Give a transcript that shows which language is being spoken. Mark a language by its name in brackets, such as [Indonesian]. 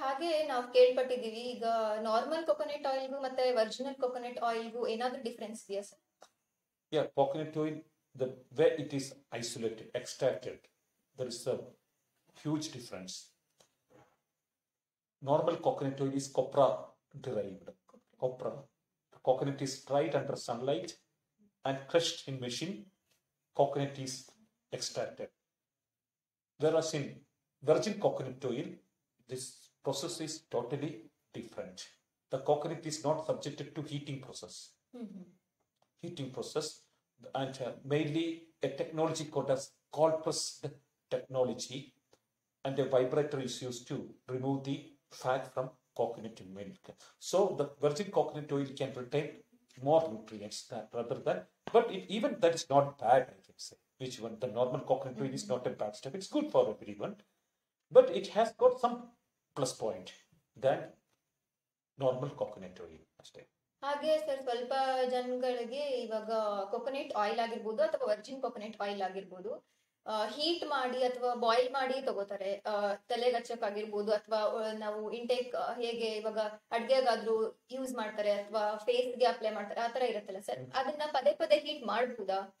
[Kannada] ಹಾಗೆ ನಾವ್ ಕೇಳ್ಪಟ್ಟಿದೀವಿ, ಈಗ ನಾರ್ಮಲ್ ಕೊಕೊನೆಟ್ ಆಯಿಲ್ಗೂ ಮತ್ತೆ ಒರಿಜಿನಲ್ ಕೊಕೊನೆಟ್ ಆಯಿಲ್ಗೂ ಏನಾದ್ರೂ ಡಿಫ್ರೆನ್ಸ್ ಇದೆಯಾ sir? [English] Coconut oil the way it is isolated extracted there is a huge difference. Normal coconut oil is copra derived. Copra coconut is dried under sunlight and crushed in machine, coconut is extracted. Whereas in virgin coconut oil, this process is totally different. The coconut is not subjected to heating process. Heating process, and mainly a technology called as cold pressed technology, and a vibrator is used to remove the fat from coconut milk. So the virgin coconut oil can retain more nutrients than, rather than, but it, even that is not bad, I can say. Which one? The normal coconut oil is not a bad stuff. It's good for everyone. But it has got some plus point than normal coconut oil. [Kannada] ಹಾಗೆ sir, ಸ್ವಲ್ಪ ಜನಗಳಿಗೆ ಇವಾಗ coconut oil ಆಗಿರ್ಬೋದು ಅಥವಾ Virgin coconut oil ಆಗಿರ್ಬೋದು heat ಮಾಡಿ ಅಥವಾ boil ಮಾಡಿ ತಗೋತಾರೆ, ತಲೆಗಚ್ಚಕ್ ಆಗಿರ್ಬೋದು ಅಥವಾ ನಾವು ಇಂಟೇಕ್ ಹೇಗೆ ಇವಾಗ ಅಡ್ಗೆಗಾದ್ರೂ ಯೂಸ್ ಮಾಡ್ತಾರೆ ಅಥವಾ ಫೇಸ್ ಗೆ ಅಪ್ಲೈ ಮಾಡ್ತಾರೆ ಆತರ ಇರುತ್ತಲ್ಲ ಸರ್, ಅದನ್ನ ಪದೇ ಪದೇ ಹೀಟ್ ಮಾಡಬಹುದಾ?